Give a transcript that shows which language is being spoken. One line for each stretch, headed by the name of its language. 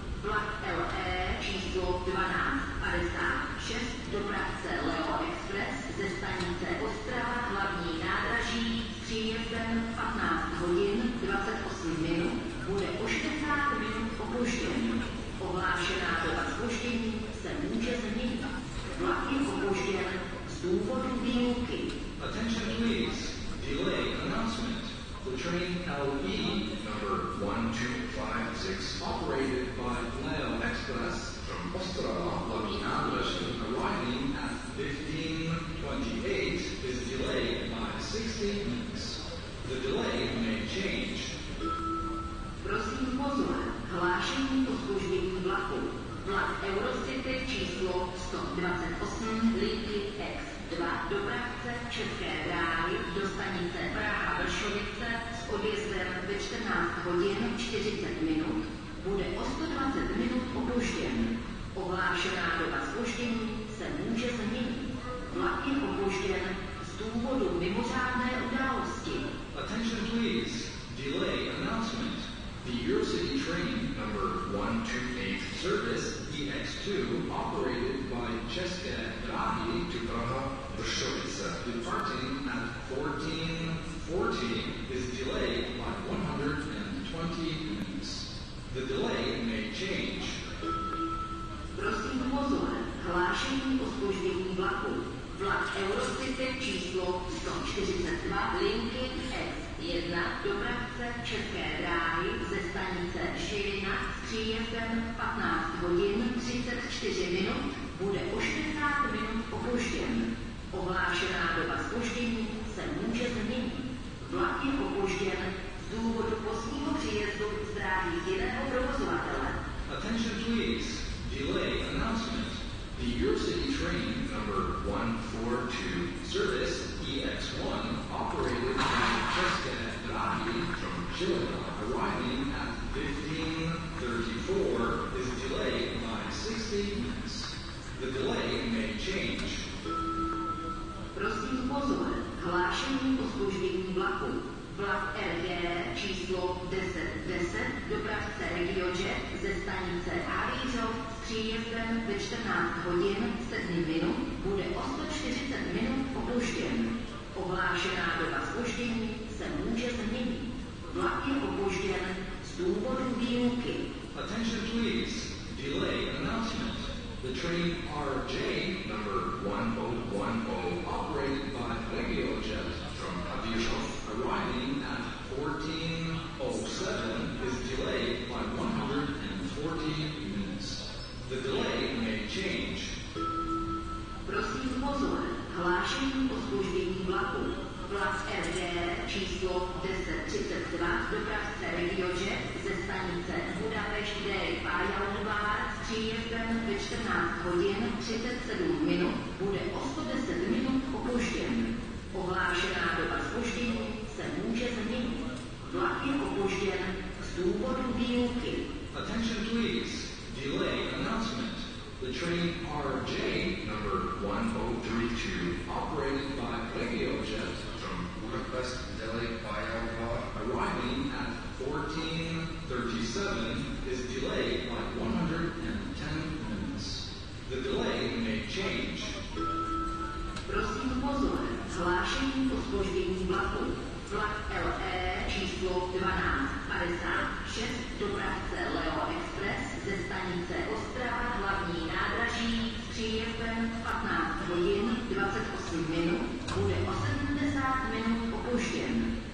Czech: Vlak LE číslo 1256 dopravce Leo Express ze stanice Ostrava hlavní nádraží s příjezdem 15 hodin 28 minut bude o 60 minut opožděn. Ohlášená doba zpoždění se může změnit. Vlak je opožděn z důvodu výuky.
English: Attention please. Delay announcement. The train LV number 1256 operated by Leo Express from Ostrava Hlavní Nádraží arriving at 15:28 is delayed by 60 minutes. The delay may change.
Czech: Prosím pozor, hlášení o zpoždění vlaku. Vlak Eurocity číslo 128 linky X2 dopravce České dráhy do stanice Praha Vršovice s odjezdem ve 14 hodin 40 minut bude o 120 minut opožděn. Ohlášená doba zpoždění se může změnit. Vlak je opožděn z důvodu mimořádné události.
English: Attention please. Delay announcement. The Eurocity train number 128 service EX2 operated by České dráhy to Praha Vršovice departing at 14:14 is delayed by 120 minutes. The delay may change.
Czech: Prosím pozor, hlášení o zpoždění vlaku. Vlak Eurocity číslo 142 linky X1 dopravce České dráhy ze stanice Žilina s příjezdem 15 hodin 34 minut bude o 60 minut opožděn. Ohlášená doba zpoždění se může změnit. Vlak je opožděn z důvodu pozdního příjezdu z dráhy jiného provozovatele.
English: Attention please. Delay announcement. The Eurocity train number 142 service EX1 operated by České dráhy from Žilina arriving at 15:34 is delayed by 60 minutes. The delay may change.
Czech: Prosím pozor, hlášení o zpoždění vlaku. Vlak RG číslo 1010 dopravce RegioJet ze stanice Havířov s příjezdem ve 14 hodin 7 minut bude o 140 minut opožděn. Ohlášená doba zpoždění se může změnit. Vlak je opožděn z důvodu výuky.
English: Attention please. Delay announcement. The train RJ number 1010 operated by RegioJet from Havířov arriving at 14:07 is delayed by 140 minutes. The delay may change.
Czech: Prosím pozor, hlášení o zpoždění vlaku. Vlak RD číslo 1032 dopravce RegioJet ze stanice Budapešť D. Pajalovár s příjezdem ve 14 hodin 37 minut bude o 110 minut opožděn. Ohlášená doba zpoždění se může změnit. Vlak je opožděn z důvodu výuky.
English: Attention please. Delay announcement. The train RJ number 1032 operated by RegioJet from Budapest Delhi via Prague arriving at 14:37 is delayed by 110 minutes. The delay may change.
Czech: Prosím pozor, hlášení o zpoždění vlaku. Vlak LE číslo 1256 dopravce Leo Express ze stanice Ostrava hlavní nádraží s příjezdem v 15 hodin 28 minut bude o 70 minut opožděn.